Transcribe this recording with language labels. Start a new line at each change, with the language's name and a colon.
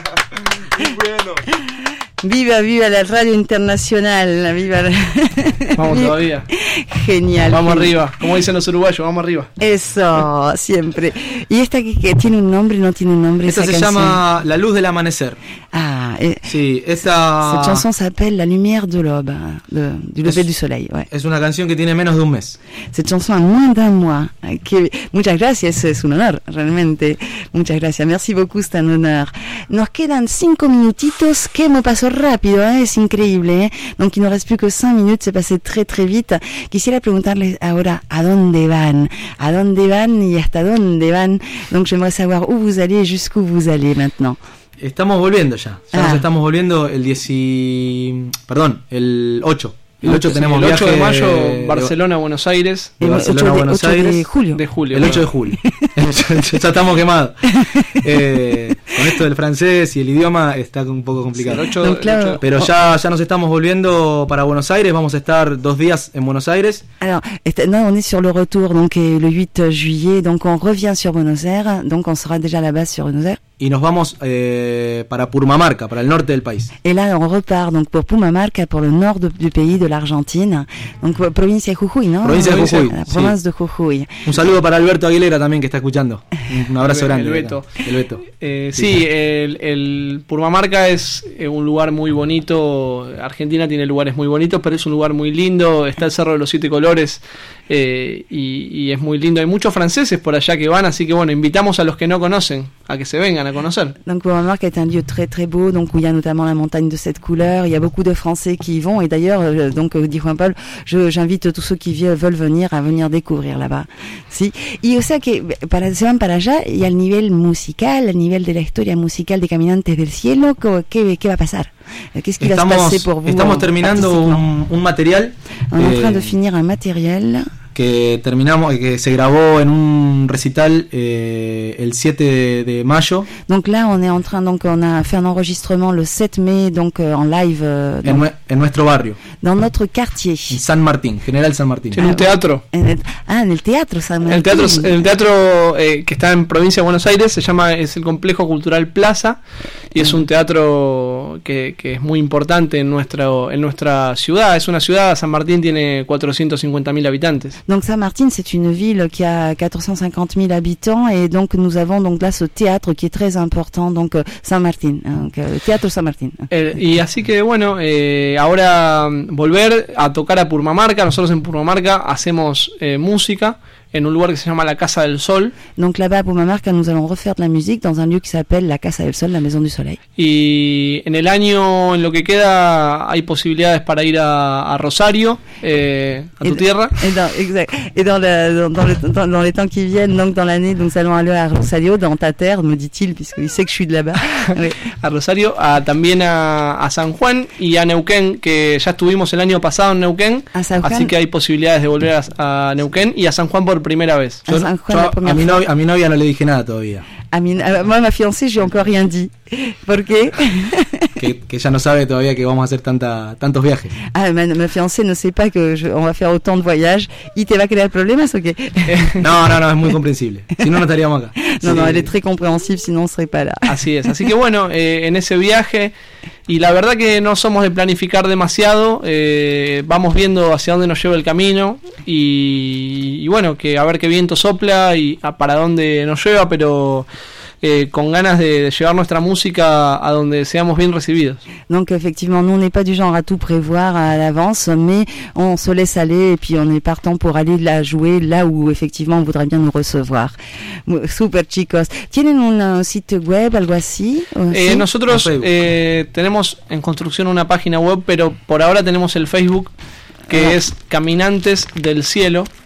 Spanish: Bueno. ¡Viva, viva la radio internacional! ¡Viva! Vamos todavía. Genial. Vamos arriba. Como dicen los uruguayos, vamos arriba. Eso, siempre. ¿Y esta que tiene un nombre o no tiene un nombre? Esta se llama La Luz del Amanecer. Ah, sí, esta.
French: Cette chanson s'appelle La Lumière de l'Aube. Du lever du soleil, ouais.
Spanish: Es una canción que tiene menos de un mes.
French: Cette chanson a moins d'un mois.
Spanish: Que, muchas gracias, es un honor, realmente. Muchas gracias.
French: Merci beaucoup, c'est un honor.
Spanish: Nos quedan 5 minutitos. ¿Qué me pasó? Rápido, ¿eh? Es increíble, ¿eh?
French: Donc il ne reste plus que 5 minutes, se passe très très vite.
Spanish: Quisiera preguntarles ahora a dónde van y hasta dónde van.
French: Donc j'aimerais savoir où vous allez et jusqu'où vous allez maintenant.
Spanish: Estamos volviendo ya, nos estamos volviendo el 8. El 8 tenemos el 8 viaje de mayo, Barcelona, Buenos Aires. El 8 de julio. Ya estamos quemados. Con esto del francés y el idioma está un poco complicado. Sí, el 8, no, claro. El 8 de... Pero ya nos estamos volviendo para Buenos Aires. Vamos a estar 2 días en Buenos Aires.
French: On est sur le retour, donc le 8 juillet. Donc on revient sur Buenos Aires. Donc on sera déjà là-bas sur Buenos Aires.
Spanish: Y nos vamos para Purmamarca, para el norte del país.
French: Y là, on repart donc pour Purmamarca, pour le nord du pays, de l'Argentine.
Spanish: Donc provincia de Jujuy, ¿no? Provincia de Jujuy. La provincia de Jujuy. Un saludo para Alberto Aguilera también, que está escuchando. Un abrazo grande. El Beto. El Beto. Sí, el Purmamarca es un lugar muy bonito. Argentina tiene lugares muy bonitos, pero es un lugar muy lindo. Está el Cerro de los Siete Colores. Y es muy lindo, hay muchos franceses por allá que van, así que bueno, invitamos a los que no conocen a que se vengan a conocer.
French: Donc Purmamarca est un lieu très très beau, donc où il y a notamment la montagne de cette couleur, il y a beaucoup de français qui y vont, et d'ailleurs donc dit Juan Paul, j'invite tous ceux qui veulent venir à venir découvrir là-bas.
Spanish: Sí. Y o sea que para se van para allá y al nivel musical, al nivel de la historia musical de Caminantes del Cielo, qué va a pasar? ¿Qué es que estamos, va a pasar por vos? Estamos terminando un material.
French: En train de finir un material
Spanish: que terminamos, que se grabó en un recital el 7 de mayo.
French: Donc là on est en train, donc on a fait un enregistrement le 7 mai, donc en live
Spanish: en nuestro barrio.
French: Dans notre quartier.
Spanish: En San Martín, General San Martín. En un teatro. En el teatro San Martín. El teatro que está en provincia de Buenos Aires, se llama, es el Complejo Cultural Plaza, y es un teatro que es muy importante en nuestra ciudad. Es una ciudad, San Martín tiene 450.000 habitantes.
French: Donc Saint-Martin, c'est une ville qui a 450 000 habitants et donc nous avons donc là ce théâtre qui est très important, donc Saint-Martin, donc, Théâtre Saint-Martin.
Spanish: Y así que bueno, ahora volver a tocar a Purmamarca, nosotros en Purmamarca hacemos música. En un lugar que se llama La Casa del Sol.
French: Donc là-bas, à Purmamarca, nous allons refaire de la musique dans un lieu qui s'appelle La Casa del Sol, la Maison du Soleil.
Spanish: Y en el año, en lo que queda, hay posibilidades para ir a Rosario, a tu tierra.
French: Dans les temps qui viennent, donc dans l'année, nous allons aller à Rosario, dans ta terre, me dit-il, puisqu'il sait que je suis de là-bas.
Spanish: A Rosario, también a San Juan y a Neuquén, que ya estuvimos el año pasado en Neuquén. A San Juan. Así que hay posibilidades de volver a Neuquén y a San Juan por primera vez. Yo, a mi novia no le dije nada todavía.
French: A mi fiancée, j'ai encore rien dit.
Spanish: ¿Por qué? Que ya no sabe todavía que vamos a hacer tantos viajes. Ah, mi fiancé no sepa
French: que on va a faire autant de voyages.
Spanish: ¿Y te va a crear problemas o qué? No, es muy comprensible. Si no, no estaríamos acá. No, él es
French: très compréhensible, si no, no serait pas là.
Spanish: Así es. Así que bueno, en ese viaje, y la verdad que no somos de planificar demasiado, vamos viendo hacia dónde nos lleva el camino y bueno, que a ver qué viento sopla y para dónde nos lleva, pero... con ganas de llevar nuestra música a donde seamos bien recibidos.
French: Donc effectivement, nous on n'est pas du genre à tout prévoir à l'avance, mais on se laisse aller et puis on est partant pour aller la jouer là où effectivement on voudrait bien nous recevoir.
Spanish: Super chicos. ¿Tienen un site web, algo así? Nosotros tenemos en construcción una página web, pero por ahora tenemos el Facebook, que es Caminantes del Cielo.